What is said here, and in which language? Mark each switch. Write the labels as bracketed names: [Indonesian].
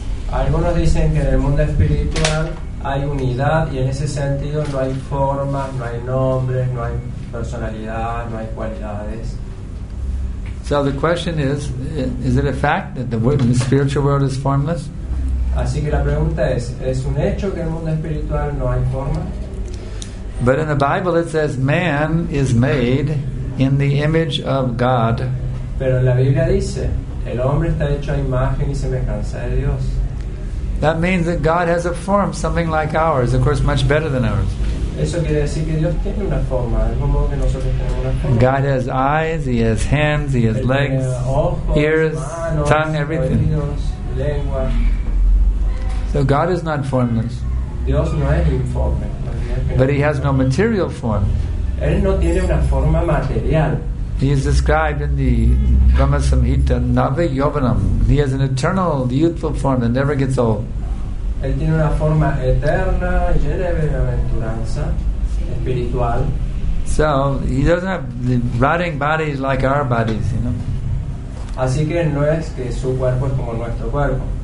[Spanish] Algunos dicen que en el mundo espiritual hay unidad y en ese sentido no hay formas, no hay nombres, no hay personalidad, no hay cualidades. [English] So the question is it a fact that the spiritual world is formless? [Spanish] Así que la pregunta ¿es un hecho que en el mundo espiritual no hay forma? [English] But in the Bible it says man is made in the image of God. [Spanish] Pero la Biblia dice, el hombre está hecho a imagen y semejanza de Dios. [English] That means that God has a form, something like ours, of course much better than ours. [Spanish] Eso quiere decir que Dios tiene una forma, de algún modo que nosotros tenemos una forma. [English] God has eyes, he has hands, he has legs, [Spanish] ojos, [English] ears, [Spanish] manos, [English] tongue, everything. [Spanish] Oídos, lengua. [English] So God is not formless. [Spanish] Dios no es informe. [English] But he has no material form. [Spanish] Él no tiene una forma material. [English] He is described in the Brahma Samhita Navi Yovanam. He has an eternal, youthful form that never gets old. [Spanish] Él tiene una forma eterna, llena de bienaventuranza, espiritual. [English] So he doesn't have the rotting bodies like our bodies, you know. [Spanish] Así que no es que su cuerpo es como nuestro cuerpo.